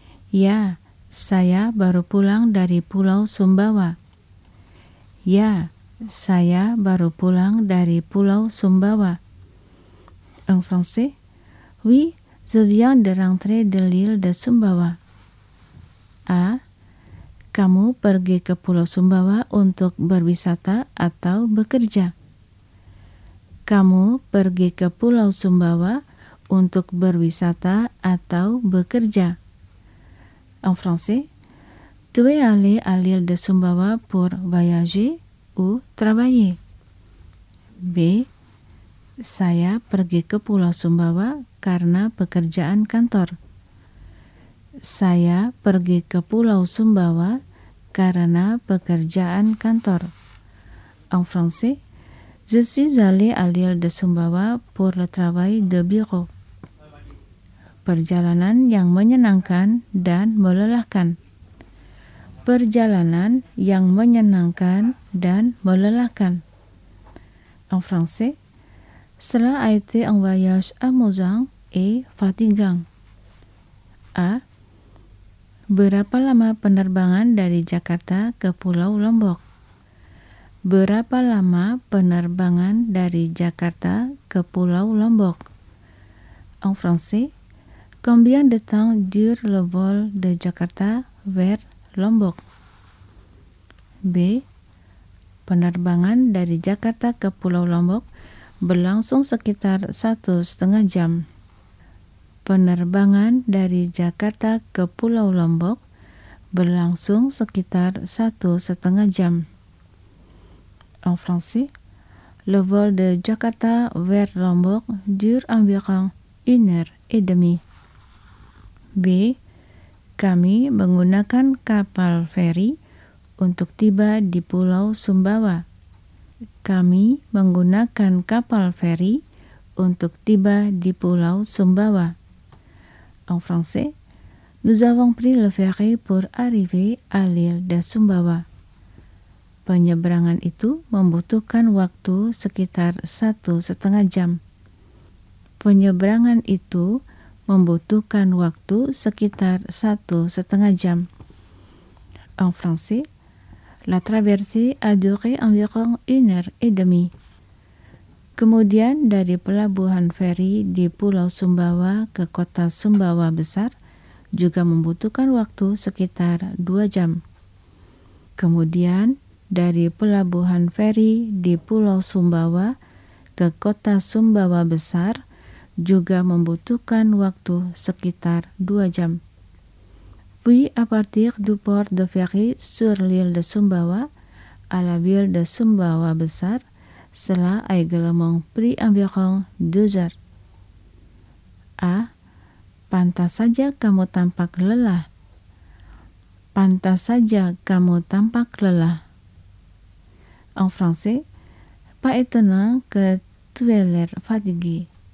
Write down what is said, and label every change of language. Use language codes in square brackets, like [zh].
[id] Ya, saya baru pulang dari Pulau Sumbawa. Ya, saya baru pulang dari Pulau Sumbawa. [fr] En français, oui, je viens de rentrer de l'île de Sumbawa. A. [id] Kamu pergi ke Pulau Sumbawa untuk berwisata atau bekerja? Kamu pergi ke Pulau Sumbawa untuk berwisata atau bekerja. [fr] En français, tu es allé à l'île de Sumbawa pour voyager ou travailler. B. [id] Saya pergi ke Pulau Sumbawa karena pekerjaan kantor. Saya pergi ke Pulau Sumbawa karena pekerjaan kantor. [fr] En français, je suis allé à l'île de Sumbawa pour le travail de bureau. [id] Perjalanan yang menyenangkan dan melelahkan. Perjalanan yang menyenangkan dan melelahkan. [fr] En français, cela a été un voyage amusant et fatigant. A. [id] Berapa lama penerbangan dari Jakarta ke Pulau Lombok? Berapa lama penerbangan dari Jakarta ke Pulau Lombok? [fr] En français, combien de temps dure le vol de Jakarta vers Lombok? B. [id] Penerbangan dari Jakarta ke Pulau Lombok berlangsung sekitar 1,5 jam. Penerbangan dari Jakarta ke Pulau Lombok berlangsung sekitar 1,5 jam. [fr] En français, le vol de Jakarta vers Lombok dure environ 1,5 jam. [id] B. Kami menggunakan kapal feri untuk tiba di Pulau Sumbawa. Kami menggunakan kapal feri untuk tiba di Pulau Sumbawa. [fr] En français, nous avons pris le ferry pour arriver à l'île de Sumbawa. [id] Penyeberangan itu membutuhkan waktu sekitar 1,5 jam. Penyeberangan itu membutuhkan waktu sekitar 1,5 jam. [fr] En français, la traversée a duré environ 1h30. [id] Kemudian dari pelabuhan feri di Pulau Sumbawa ke kota Sumbawa Besar juga membutuhkan waktu sekitar 2 jam. Kemudian dari pelabuhan feri di Pulau Sumbawa ke kota Sumbawa Besar juga membutuhkan waktu sekitar 2 jam. [fr] Puis à partir du port de ferry sur l'île de Sumbawa à la ville de Sumbawa Besar, cela a également pris environ 2 heures. A. [id] Pantas saja kamu tampak lelah. Pantas saja kamu tampak lelah. [fr] En français, pas étonnant que tu aies l'air fatigué.